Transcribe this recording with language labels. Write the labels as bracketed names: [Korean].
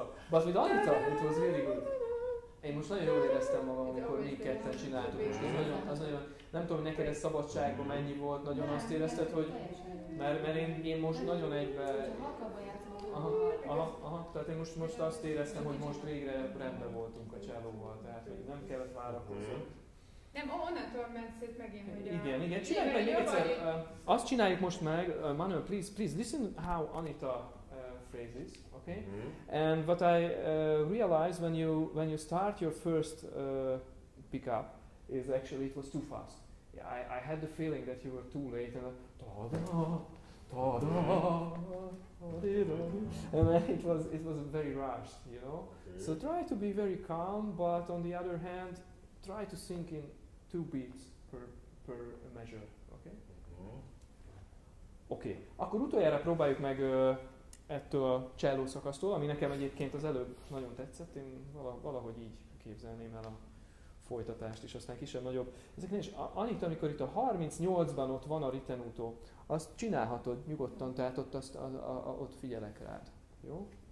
[English] But with Anita, it was really good. [Hungarian] Én most nagyon jól éreztem magam, amikor mi ketten csináltuk. Most az nagyon, nem tudom, neked ez szabadságban mennyi volt, nagyon azt érezted, hogy... Mert én most nagyon egybe... Aha, tehát én most azt éreztem, hogy most végre rendben voltunk a csávóval, tehát hogy nem kellett várakozni. Nem, onnantól ment szét megint, hogy Igen, csináljuk meg egyszer. Azt csináljuk most meg, [English] Manuel, please listen how Anita phrases, okay? Mm-hmm. And what I realize when you start your first pickup is actually it was too fast. Yeah, I had the feeling that you were too late and it was very rushed, you know. Okay. So try to be very calm, but on the other hand, try to sink in two beats per measure, okay? Okay. [Hungarian] Akkor utoljára próbáljuk meg ettől a cselló szakasztól, ami nekem egyébként az előbb nagyon tetszett, én valahogy így képzelném el a folytatást is, aztán kisebb-nagyobb. Ezeknél is, Anita, amikor itt a 38-ban ott van a ritenuto, azt csinálhatod nyugodtan, tehát ott, azt, ott figyelek rád. Jó?